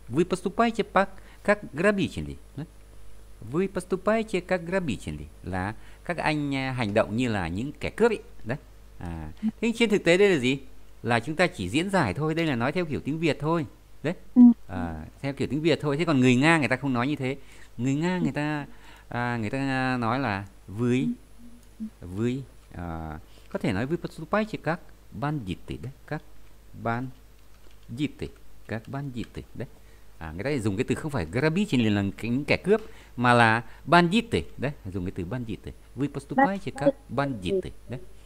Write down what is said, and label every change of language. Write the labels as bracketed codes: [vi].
[ru] Вы поступаете как грабители. Вы поступаете как грабители, [vi] là các anh hành động như là những kẻ cướp ấy. Đấy. À, thế trên thực tế đây là gì? Là chúng ta chỉ diễn giải thôi, đây là nói theo kiểu tiếng Việt thôi. Đấy. À, theo kiểu tiếng Việt thôi, thế còn người Nga người ta không nói như thế. Người Nga người ta nói là với có thể nói với [ru] поступаете как бандиты, [vi] đấy, [ru] как бандиты, [vi] đấy. À, người ta dùng cái từ không phải грабители là những kẻ cướp mà là бандиты, đấy, dùng cái từ бандиты. [ru] Вы поступаете как бандиты, đấy.